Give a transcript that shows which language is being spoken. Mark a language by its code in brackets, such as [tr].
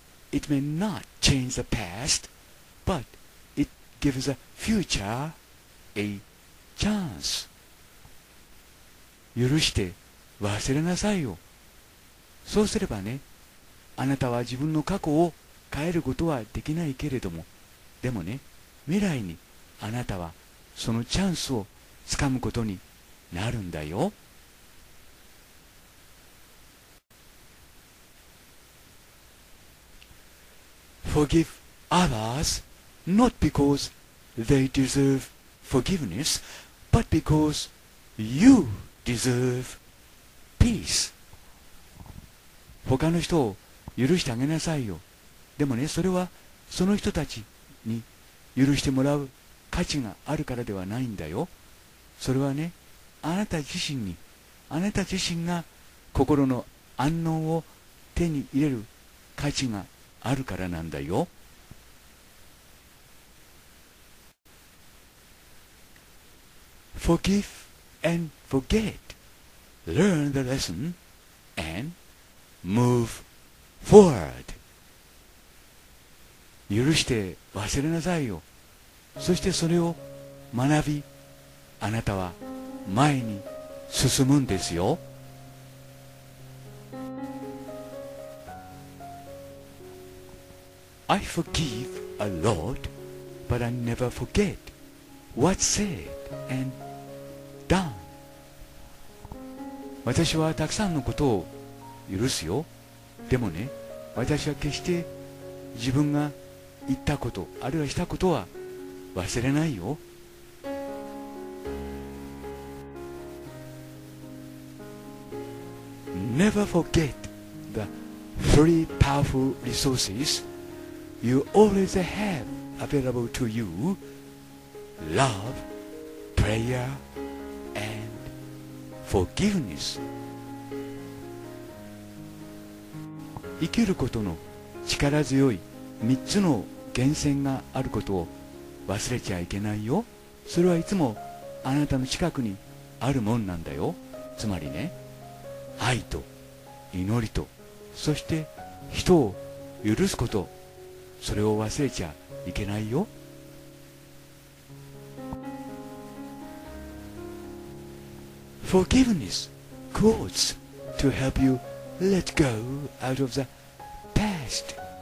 [en] It may not change the past, but it gives the future a chance. [ja] 許して忘れなさいよ。そうすればね、あなたは自分の過去を変えることはできないけれども、でもね、未来にあなたはそのチャンスをつかむことになるんだよ。 [en] forgive others not because they deserve forgiveness, but because you deserve peace. [ja] 他の人を許してあげなさいよ。でもね、それはその人たちに許してもらう価値があるからではないんだよ。それはね、あなた自身に、あなた自身が心の安穏を手に入れる価値があるからなんだよ。 [en] Forgive and forget. Learn the lesson and move forward. [ja] 許して忘れなさいよ。そしてそれを学び、あなたは前に進むんですよ。 [en] I forgive a lot, but I never forget what's said and done. [ja] 私はたくさんのことを許すよ。でもね、私は決して自分が言ったこと、あるいはしたことは忘れないよ。 [en] Never forget the three powerful resources you always have available to you: love, prayer, and forgiveness. [ja] 生きることの力強い三つの源泉があることを忘れちゃいけないよ。それはいつもあなたの近くにあるもんなんだよ。つまりね、愛と祈りと、そして人を許すこと、それを忘れちゃいけないよ。 [en] Forgiveness quotes to help you let go out of the past.